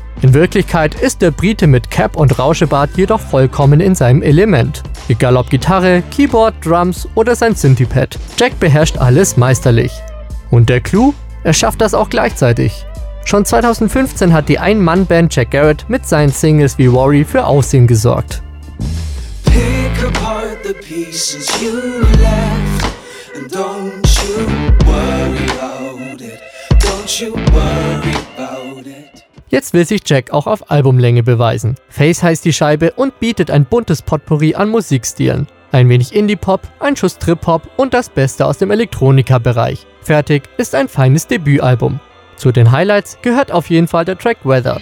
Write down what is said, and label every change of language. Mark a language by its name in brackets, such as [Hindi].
[German] In Wirklichkeit ist der Brite mit Cap und Rauschebart jedoch vollkommen in seinem Element. Egal ob Gitarre, Keyboard, Drums oder sein Synthipad, Jack beherrscht alles meisterlich. Und der Clou? Er schafft das auch gleichzeitig. Schon 2015 hat die Ein-Mann-Band Jack Garrett mit seinen Singles wie Worry für Aufsehen gesorgt. [English] Pick apart the pieces you left, and don't you worry about it, don't you worry about it. [German] Jetzt will sich Jack auch auf Albumlänge beweisen. Face heißt die Scheibe und bietet ein buntes Potpourri an Musikstilen. Ein wenig Indie-Pop, ein Schuss Trip-Hop und das Beste aus dem Elektronika-Bereich. Fertig ist ein feines Debütalbum. Zu den Highlights gehört auf jeden Fall der Track Weathered.